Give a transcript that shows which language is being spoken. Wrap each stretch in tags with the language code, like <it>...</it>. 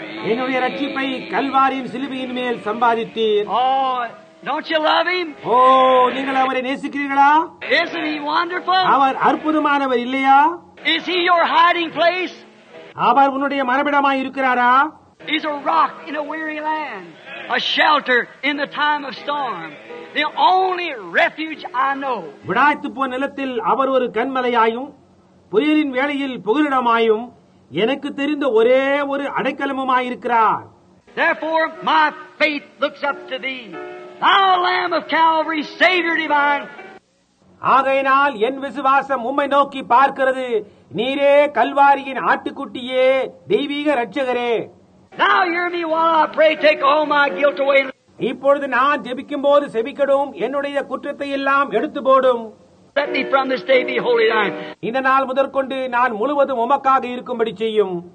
<ta>என்னுடைய ரட்சிப்பை கல்வாரியின் சிலுவையின் மேல் சம்பாதித்தீர்.</ta> <en>Don't you love him?</en> <ta>Oh, நீங்கள் அவரை நேசிக்கிறீர்களா?</ta> <en>Isn't he wonderful?</en> <ta>அவர் அற்புதமானவர் இல்லையா?</ta> <en>Is he your hiding place?</en> <ta>அவர் உன்னுடைய மறைவிடமாய் இருக்கிறாரா?</ta> <en>He's a rock in a weary land, a shelter in the time of storm. The only refuge I know.</en> <ta>விடாய்த்து போன நிலத்தில் அவர் ஒரு கண்மலையாயும் புயலின் வேளையில் புகலிடமாயும் எனக்கு தெரிந்த ஒரே ஒரு அடைக்கலமுமாய் இருக்கிறார்.</ta> <en>Therefore my faith looks up to thee. Thou Lamb of Calvary, Savior divine.</en> <ta>ஆகையினால் என் விசுவாசம் உம்மை நோக்கி பார்க்கிறது. நீரே கல்வாரியின் ஆட்டுக்குட்டியே, தெய்வீக ரட்சகரே.</ta> <en>Now hear me while I pray, take all my guilt away.</en> <ta>இப்பொழுது நான் ஜெபிக்கும் போது செபிக்கடும், என்னுடைய குற்றத்தை எல்லாம் எடுத்து போடும்.</ta> <en>Let me from this day be holy thine.</en> <ta>இந்த நாள் முதற்கொண்டு நான் முழுவதும் உமக்காக இருக்கும்படி செய்யும்.</ta>